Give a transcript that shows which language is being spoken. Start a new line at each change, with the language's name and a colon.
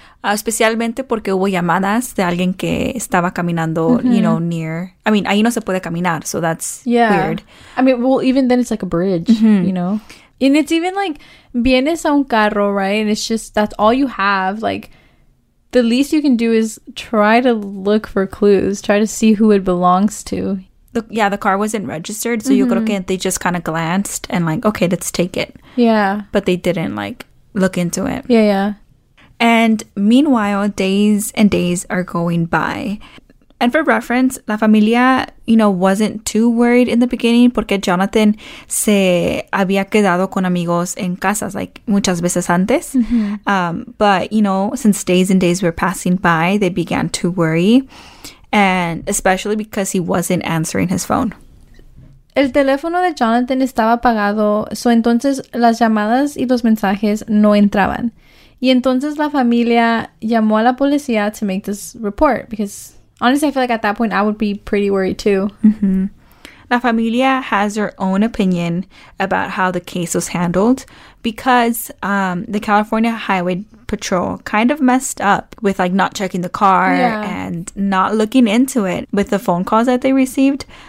Spanish: Especialmente porque hubo llamadas de alguien que estaba caminando,
English: you know, near. I mean,
Spanish: ahí no se puede caminar,
English: so that's weird. I mean, well, even then it's like a bridge, you know. And it's even like,
Spanish: vienes a un carro,
English: right? And it's just, that's all you have. Like, the least you can do is try to look for clues, try to see who it belongs to. The car wasn't registered, so
Spanish: yo creo que
English: they just kind of glanced and like, okay, let's take it. Yeah. But they didn't like look into it. Yeah, yeah. And meanwhile, days and days are going by. And for reference, La Familia, you know, wasn't too worried in the beginning
Spanish: porque Jonathan se había quedado con amigos en casas, like, muchas veces antes.
English: But, you know, since days and days were passing by, they began to worry. And especially because he wasn't answering his phone.
Spanish: El teléfono de Jonathan estaba apagado, so entonces las llamadas y los mensajes no entraban. Y entonces la familia llamó a la policía
English: to make this report. Because honestly, I feel like at that point, I would be pretty worried too. Mm-hmm.
Spanish: La familia
English: has her own opinion about how the case was handled. Because the California Highway Patrol kind of messed up with like not checking the car and not looking into it with the phone calls that they received.